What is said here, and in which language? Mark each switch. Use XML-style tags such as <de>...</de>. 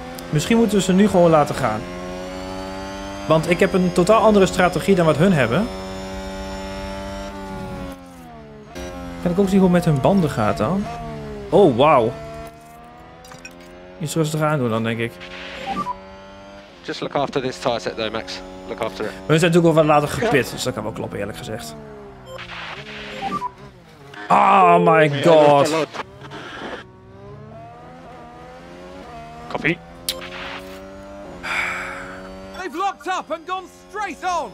<nl>Misschien moeten we ze nu gewoon laten gaan. Want ik heb een totaal andere strategie dan wat hun hebben. Kan ik ook zien hoe het met hun banden gaat dan? Oh, wauw. Iets rustig aan doen dan, denk ik.</nl> <en>Just look after this tire set though, Max. Look after it.</en> <nl>We zijn natuurlijk wel wat later gepit, dus dat kan wel kloppen, eerlijk gezegd.</nl> <en>Oh my god. Copy. They've locked up and gone straight on.</en>